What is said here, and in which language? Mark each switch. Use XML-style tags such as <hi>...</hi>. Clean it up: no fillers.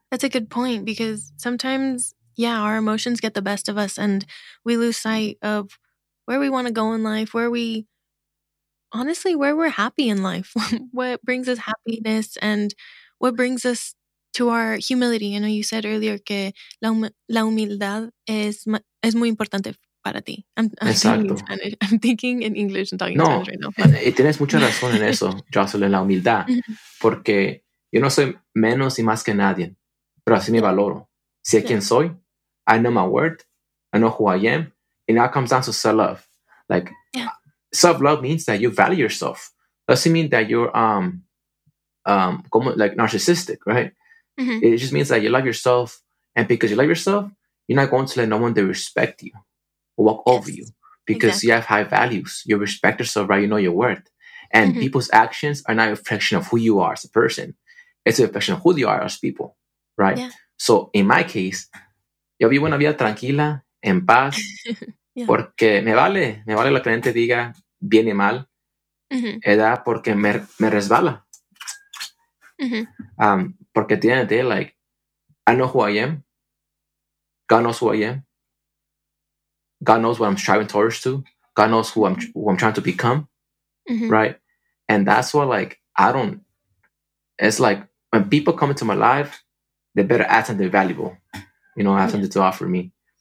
<en>That's a good point, because sometimes, yeah, our emotions get the best of us and we lose sight of where we want to go in life, where we're happy in life, what brings us happiness and what brings us to our humility. I know you said earlier</en> <es>que la humildad es muy importante para ti.</es> <en>I'm thinking in English and talking Spanish right now.</en> <es>No, tienes mucha razón en eso, Jocelyn, la humildad, porque yo no soy menos y más que nadie, pero así me valoro. Sé quién soy,</es> <en>I know my worth, I know who I am, and now it comes down to self-love. Like, yeah. Self-love means that you value yourself. Doesn't mean that you're like narcissistic, right? Mm-hmm. It just means that you love yourself, and because you love yourself, you're not going to let no one disrespect you or walk over you, because exactly. You have high values. You respect yourself, right? You know your worth. And mm-hmm. people's actions are not a reflection of who you are as a person. It's a reflection of who you are as people, right? Yeah. So in my case,</en> <es>yo vivo una vida tranquila, en paz,</es> <en>yeah.</en> <es>porque me vale lo que la gente diga bien y mal, mm-hmm. edad porque me resbala. Mm-hmm. Porque</es> <en>at the end of the day, like, I know who I am. God knows who I am. God knows what I'm striving towards to. God knows who I'm trying to become, mm-hmm. right? And that's why, like, it's like, when people come into my life, they better add something valuable, you know, something to offer me.</en>